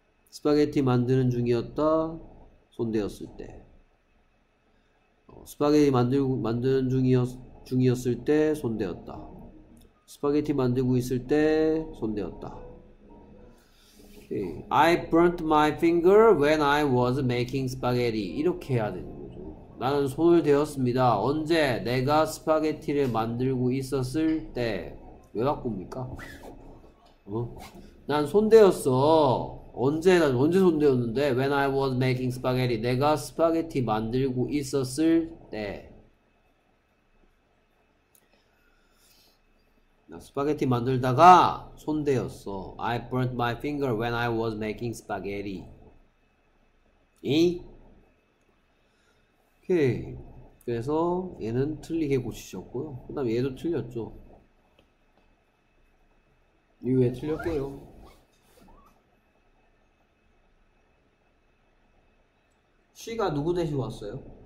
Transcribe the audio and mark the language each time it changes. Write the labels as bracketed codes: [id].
[ko] 스파게티 만드는 중이었다. 손대었을 때. 스파게티 만드는 중이었을 때 손대었다. 스파게티 만들고 있을 때 손대었다. [en] Okay. I burnt my finger when I was making spaghetti. [ko] 이렇게 해야 되는 거죠. 나는 손을 대었습니다. 언제? 내가 스파게티를 만들고 있었을 때. 왜 바꿉니까? 어? 난 손대었어. 언제 손대었는데? [en] When I was making spaghetti. [ko] 내가 스파게티 만들고 있었을 때. 나 스파게티 만들다가 손대었어. [en] I burnt my finger when I was making spaghetti. [ko] 이? 오케이. 그래서 얘는 틀리게 고치셨고요. 그 다음 얘도 틀렸죠. 이 왜 틀렸게요? 시가 누구 대신 왔어요?